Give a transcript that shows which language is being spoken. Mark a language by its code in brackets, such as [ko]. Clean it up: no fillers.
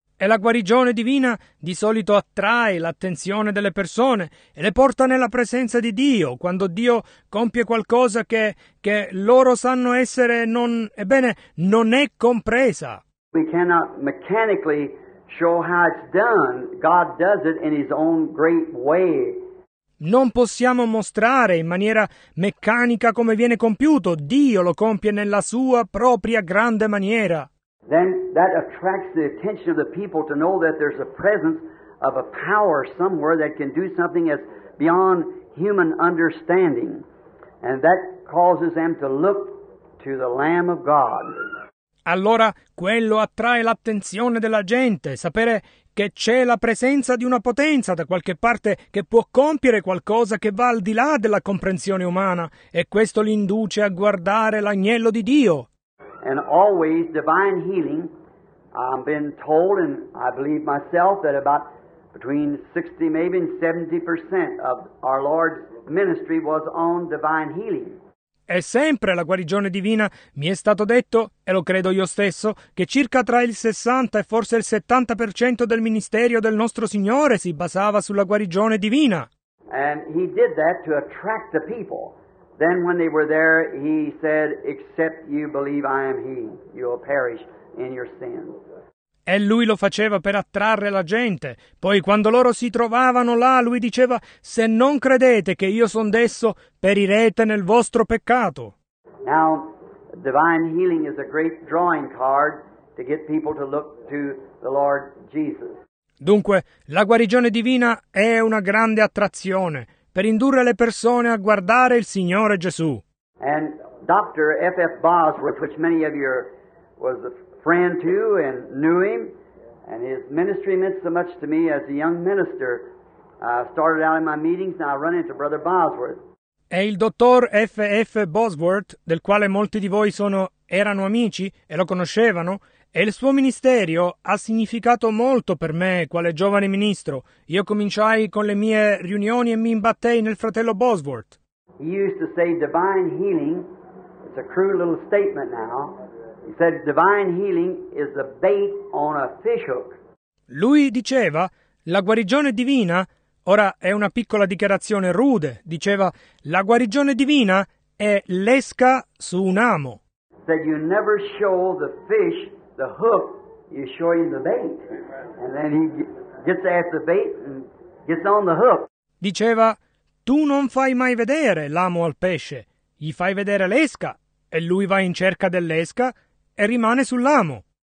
[it] E la guarigione divina di solito attrae l'attenzione delle persone e le porta nella presenza di Dio, quando Dio compie qualcosa che loro sanno essere non è compresa. [en] We cannot mechanically show how it's done. God does it in his own great way. [it] Non possiamo mostrare in maniera meccanica come viene compiuto. Dio lo compie nella sua propria grande maniera. [en] Then that attracts the attention of the people to know that there's a presence of a power somewhere that can do something that's beyond human understanding. And that causes them to look to the Lamb of God. [it] Allora, quello attrae l'attenzione della gente, sapere che c'è la presenza di una potenza da qualche parte che può compiere qualcosa che va al di là della comprensione umana, e questo li induce a guardare l'agnello di Dio. [en] And always divine healing, I've been told, and I believe myself, that about between 60, maybe 70% of our Lord's ministry was on divine healing. [it] E sempre la guarigione divina mi è stato detto, e lo credo io stesso, che circa tra il 60 e forse il 70% del ministerio del nostro Signore si basava sulla guarigione divina. [en] And he did that to attract the people. Then when they were there, he said, except you believe I am he, you will perish in your sins. [it] E lui lo faceva per attrarre la gente. Poi quando loro si trovavano là, lui diceva, se non credete che io son d'esso, perirete nel vostro peccato. [en] Now, divine healing is a great drawing card to get people to look to the Lord Jesus. [it] Dunque, la guarigione divina è una grande attrazione per indurre le persone a guardare il Signore Gesù. [en] And Dr. F.F. Bosworth, which many of you was a friend to and knew him, and his ministry meant so much to me as a young minister. I started out in my meetings, and I run into Brother Bosworth. [it] È il dottor F.F. Bosworth, del quale molti di voi erano amici e lo conoscevano, e il suo ministero ha significato molto per me quale giovane ministro. Io cominciai con le mie riunioni e mi imbattei nel fratello Bosworth. [en] He used to say divine healing, it's a crude little statement now, he said divine healing is a bait on a fish hook. [it] Lui diceva, la guarigione divina, ora è una piccola dichiarazione rude, diceva, la guarigione divina è l'esca su un amo. [en] Said you never show the fish the hook, you show him the bait. And then he gets at the bait and gets on the hook. [it] Diceva, tu non fai mai vedere l'amo al pesce, gli fai vedere l'esca, e lui va in cerca dell'esca e rimane sull'amo.